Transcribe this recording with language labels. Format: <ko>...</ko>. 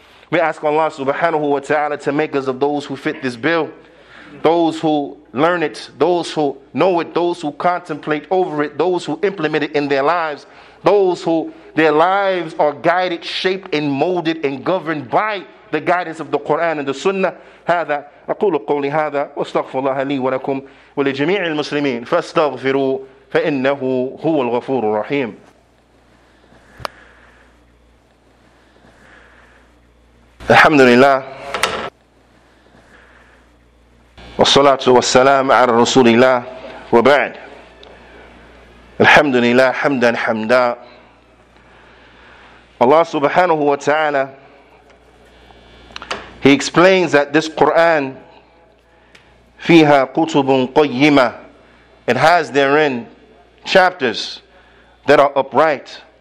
<en>We ask Allah subhanahu wa ta'ala to make us of those who fit this bill, those who learn it, those who know it, those who contemplate over it, those who implement it in their lives, those who their lives are guided, shaped, and molded, and governed by the guidance of the Quran and the Sunnah.</en> <ar>هذا أقول قولي هذا واستغفر الله لي ولكم ولجميع المسلمين فاستغفروا فإنه هو الغفور الرحيم. الحمد لله والصلاة والسلام على رسول الله وبعد. الحمد لله حمدا حمدا.</ar> <en>Allah subhanahu wa ta'ala, He explains that this Quran,</en> <ar>فيها قطب قيمة,</ar> <en>it has therein chapters that are upright.</en>